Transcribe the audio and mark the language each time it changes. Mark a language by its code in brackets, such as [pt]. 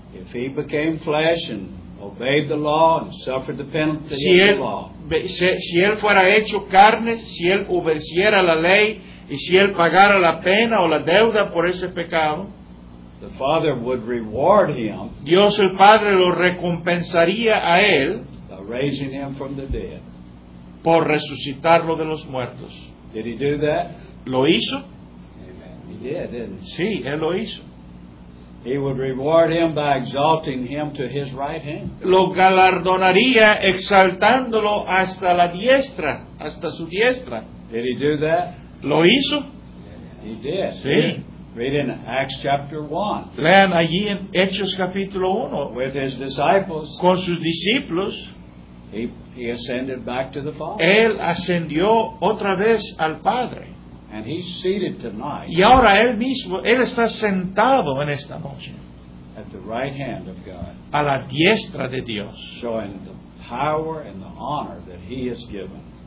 [en] If he became flesh and obeyed the law and suffered the penalty [es] si [en] of [es] él, [en] the law. [es] Si él fuera hecho carne, si él obedeciera la ley y si él pagara la pena o la deuda por ese pecado, [en] the Father would reward him. [es] Dios el Padre lo recompensaría a él [en] by raising him from the dead. [es] Por resucitarlo de los muertos. [en] Did he do that? [es] ¿Lo hizo? [en] He did, didn't he? [es] Sí, él lo hizo. [en] He would reward him by exalting him to his right hand. [es] Lo galardonaría exaltándolo hasta la diestra, hasta su diestra. [en] Did he do that? [es] ¿Lo hizo? [en] He did. [es] Sí. [en] Read in Acts chapter 1. [es] Lean allí en Hechos capítulo 1. [en] With his disciples. [es] Con sus discípulos. [en] He ascended back to the Father. [es] Él ascendió otra vez al Padre. [en] And he's seated tonight. [es] Y ahora él mismo, él está sentado en esta noche. [en] At the right hand of God. [es] A la diestra de Dios. [en] Showing the power and the honor that he has given.